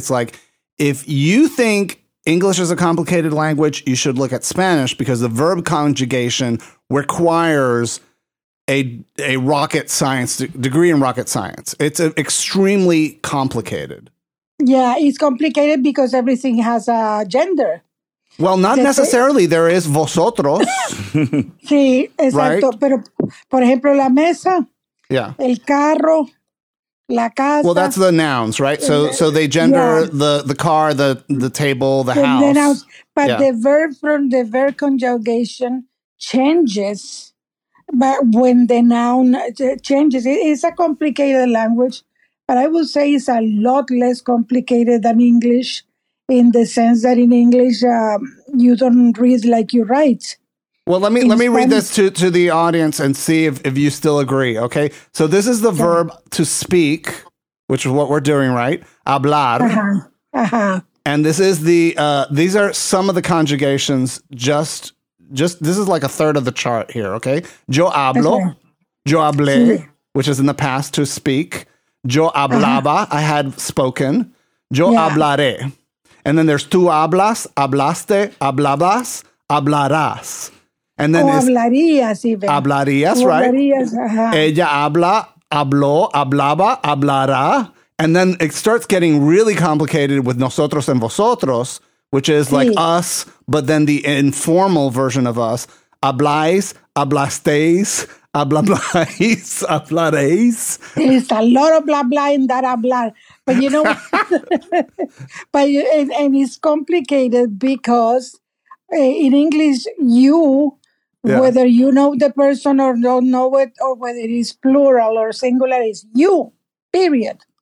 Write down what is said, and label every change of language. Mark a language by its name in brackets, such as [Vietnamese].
[English] It's like, if you think English is a complicated language, you should look at Spanish, because the verb conjugation requires a rocket science degree in rocket science. It's extremely complicated. Yeah, it's complicated because everything has a gender. Well, not necessarily. There is vosotros. [Spanish] Sí, exacto. [English] Right? [Spanish] Pero, por ejemplo, la mesa. [English] Yeah. [Spanish] El carro. La casa. [English] Well, that's the nouns, right? So they gender the car, the table, the house. The nouns, but yeah. the verb conjugation changes, but when the noun changes, it's a complicated language. But I would say it's a lot less complicated than English, in the sense that in English you don't read like you write. Well, let me read this to the audience and see if you still agree, okay? So this is the verb to speak, which is what we're doing, right? [Spanish] Hablar. Uh-huh. Uh-huh. [English] And this is these are some of the conjugations, just this is like a third of the chart here, okay? [Spanish] Yo hablo, yo hablé, [English] which is in the past to speak. [Spanish] Yo hablaba, [English] uh-huh. I had spoken. [Spanish] Yo hablaré. [English] And then there's [Spanish] tú hablas, hablaste, hablabas, hablarás. [English] And then [Spanish] hablarías, even. Hablarías, right? Hablarías, uh-huh. Ella habla, habló, hablaba, hablará. [English] And then it starts getting really complicated with nosotros and vosotros, which is like us, but then the informal version of us. [Spanish] Habláis, hablasteis, hablabláis, hablaréis. [English] There's a lot of blah, blah in that hablar. But you know what? and it's complicated because in English, whether you know the person or don't know it, or whether it's plural or singular, is you, period.